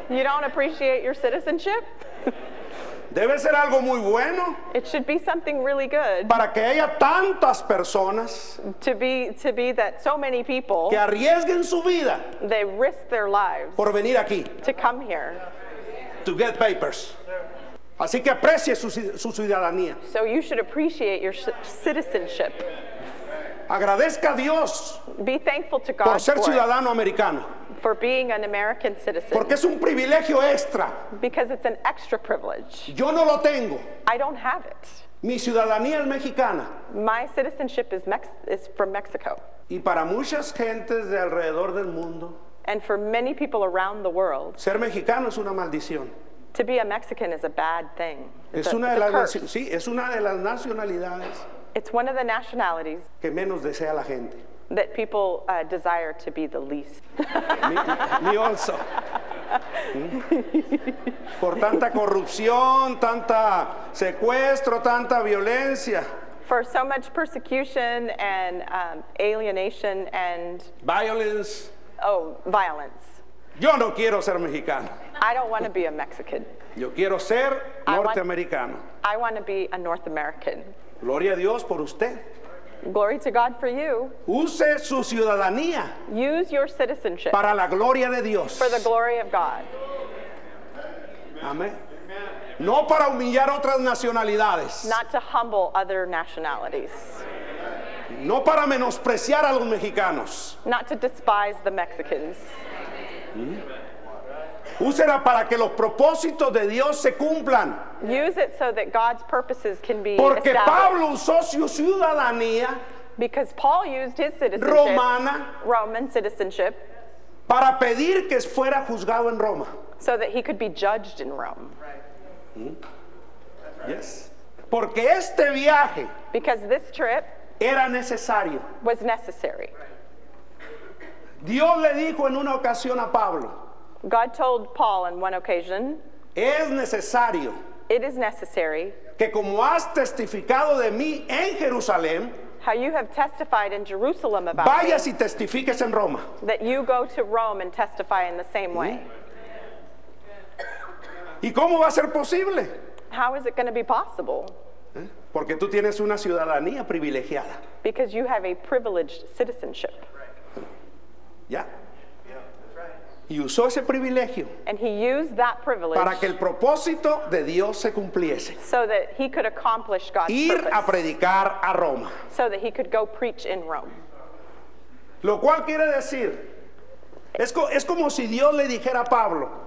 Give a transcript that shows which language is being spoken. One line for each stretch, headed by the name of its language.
English: You don't appreciate your citizenship.
Spanish: Debe ser algo muy bueno.
English: It should be something really good.
Spanish: Para que haya tantas personas.
English: To be that so many people.
Spanish: Que arriesguen su vida.
English: They risk their lives.
Spanish: Por venir aquí.
English: To come here. To get papers.
Spanish: Así que aprecie su ciudadanía.
English: So you should appreciate your citizenship.
Spanish: Agradezca a Dios.
English: Be thankful to God
Spanish: por ser ciudadano americano.
English: For being an American citizen.
Spanish: Porque es un privilegio extra.
English: Because it's an extra privilege.
Spanish: Yo no lo tengo.
English: I don't have it.
Spanish: Mi ciudadanía es mexicana.
English: My citizenship is from Mexico.
Spanish: Y para muchas gentes de alrededor del mundo.
English: And for many people around the world.
Spanish: Ser mexicano es una maldición.
English: To be a Mexican is a bad thing.
Spanish: Es una de las nacionalidades.
English: It's one of the nationalities.
Spanish: Que menos desea la gente.
English: That people desire to be the least. Me also.
Spanish: Por tanta corrupción, tanta secuestro, tanta violencia.
English: For so much persecution and alienation and violence. Oh, violence.
Spanish: Yo no quiero ser mexicano.
English: I don't want to be a Mexican.
Spanish: Yo quiero ser norteamericano.
English: I want to be a North American.
Spanish: Gloria a Dios por usted.
English: Glory to God for you.
Spanish: Use su ciudadanía.
English: Use your citizenship.
Spanish: Para la gloria de Dios.
English: For the glory of God.
Spanish: Amén. No para humillar otras nacionalidades.
English: Not to humble other nationalities.
Spanish: No para menospreciar a los mexicanos.
English: Not to despise the Mexicans.
Spanish: Úsela para que los propósitos de Dios se cumplan.
English: Use it so that God's purposes can be
Spanish: Porque
English: established.
Spanish: Pablo usó su ciudadanía,
English: because Paul used his citizenship,
Spanish: Romana,
English: Roman citizenship,
Spanish: para pedir que fuera juzgado en Roma.
English: So that he could be judged in Rome. Right. Mm-hmm. Right.
Spanish: Yes. Porque este viaje,
English: because this trip
Spanish: era necesario.
English: Was necessary.
Spanish: Dios le dijo en una ocasión a Pablo,
English: God told Paul in one occasion,
Spanish: es necesario,
English: it is necessary,
Spanish: que como has testificado de mí en Jerusalén,
English: how you have testified in Jerusalem about
Spanish: vayas
English: me,
Spanish: y testifiques en Roma,
English: that you go to Rome and testify in the same way.
Spanish: ¿Y cómo va a ser posible?
English: How is it going to be possible?
Spanish: Porque tú tienes una ciudadanía privilegiada.
English: Because you have a privileged citizenship. Ya. Yeah. Right.
Spanish: Y usó ese privilegio.
English: And he used that privilege.
Spanish: Para que el propósito de Dios se cumpliese.
English: So that he could accomplish God's
Spanish: ir
English: purpose.
Spanish: Ir a predicar a Roma.
English: So that he could go preach in Rome.
Spanish: Lo cual quiere decir, es como si Dios le dijera a Pablo,